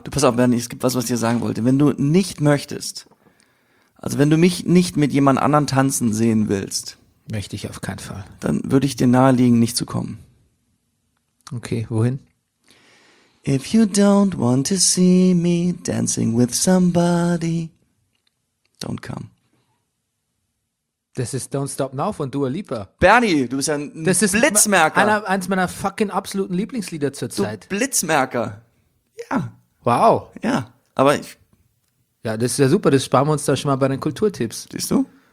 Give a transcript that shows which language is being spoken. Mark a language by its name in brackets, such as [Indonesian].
[German] Du, pass auf, Bernie, es gibt was, was ich dir sagen wollte. Wenn du nicht möchtest, also wenn du mich nicht mit jemand anderen tanzen sehen willst. Möchte ich auf keinen Fall. Dann würde ich dir nahelegen, nicht zu kommen. Okay, wohin? [English] If you don't want to see me dancing with somebody, don't come. [German] Das ist Don't Stop Now von Dua Lipa. Bernie, du bist ja ein das ist Blitzmerker. Eins meiner fucking absoluten Lieblingslieder zur Zeit. Du Blitzmerker. Ja. Wow. Ja, aber ich... Ja, das ist ja super, das sparen wir uns da schon mal bei den Kulturtipps. Siehst du?